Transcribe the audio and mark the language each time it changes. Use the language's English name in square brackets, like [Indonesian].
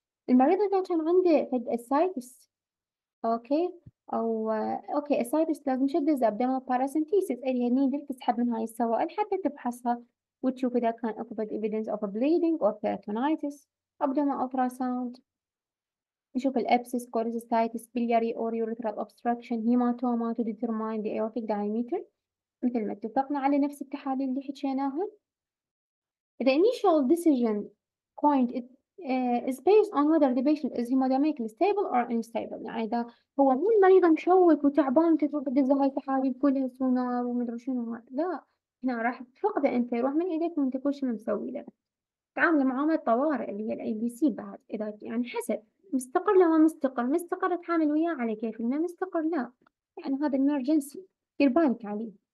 [Arabic] المريض إذا كان عنده فد اسايتس اوكي، او اوكي اسايتس لازم تشدز ابدومينال باراسنتيسيس، اللي هني تسحب من هاي السوائل حتى تفحصها وتشوف اذا كان اكو فد [English] Evidence of bleeding or peritonitis. Abdominal ultrasound نشوف الابسس، cholecystitis, biliary or ureteral obstruction, haematoma to determine the aortic diameter, [Arabic] مثل ما اتفقنا على نفس التحاليل اللي حكيناها. [English] The initial decision point is based on whether the patient is hemodynamically stable or unstable. [Arabic] يعني إذا هو مو المريض مشوك وتعبان تتوقع تدز هاي التحاليل كلها سونار ومدري شنو، لا، هنا راح تفقده انت، يروح من ايديك وانت كل شيء مسوي له. تعامل معاملة الطوارئ اللي هي الاي بي سي بعد، اذا يعني حسب مستقر لو مستقر، مستقر تعامل وياه على كيف، ما مستقر لا، يعني هذا الامرجنسي دير بالك عليه.